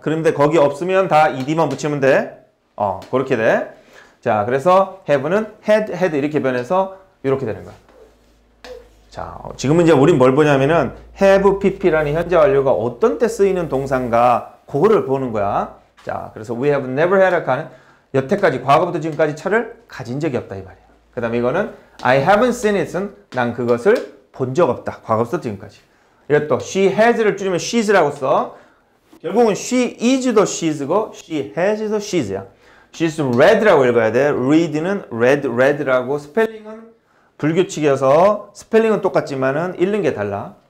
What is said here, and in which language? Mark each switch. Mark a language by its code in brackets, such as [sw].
[ko] 그런데 거기 없으면 다 ed만 붙이면 돼. 어, 그렇게 돼. 자, 그래서 have는 had, had 이렇게 변해서 이렇게 되는 거야. 자, 지금은 이제 우린 뭘 보냐면은 have pp라는 현재 완료가 어떤 때 쓰이는 동사인가 그거를 보는 거야. 자, 그래서 [en] we have never had a car. [ko] 여태까지 과거부터 지금까지 차를 가진 적이 없다 이 말이야. 그 다음에 이거는 [en] I haven't seen it [ko] 은 난 그것을 본 적 없다. 과거부터 지금까지. 이거 또 [en] she has [ko] 를 줄이면 she's라고 써. 결국은 [en] she is the she's고 she has the she's야. She's red [ko] 라고 읽어야 돼. read는 red, red라고 스펠링은 불규칙이어서 스펠링은 똑같지만은 읽는 게 달라.